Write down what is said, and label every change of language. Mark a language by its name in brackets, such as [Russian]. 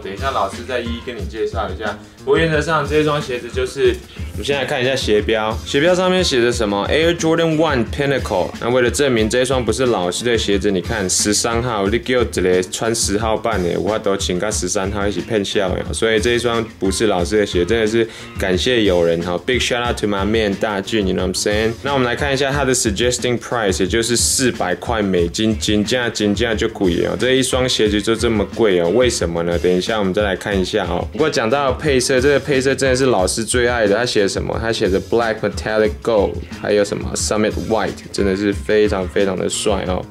[Chinese] 等一下，老师再一一跟你介绍一下。不过原则上，这双鞋子就是，我们先来看一下鞋标，鞋标上面写着什么 ？Air Jordan One Pinnacle。那为了证明这双不是老师的鞋子，你看13号，你给我直接穿10号半的，我都请个13号一起骗笑呀。所以这双不是老师的鞋，真的是感谢友人哈 ， [English] Big shout out to my man [Chinese] 大俊 ， [English] You know what I'm saying？ [Chinese] 那我们来看一下它的 suggesting price， 也就是400块美金，金价金价就贵了，这一双鞋子就这么贵哦？为什么呢？等一下我们再来看一下哦。不过讲到配色，这个配色真的是老师最爱的。他写什么？他写着 Black Metallic Gold， 还有什么 Summit White， 真的是非常非常的帅哦。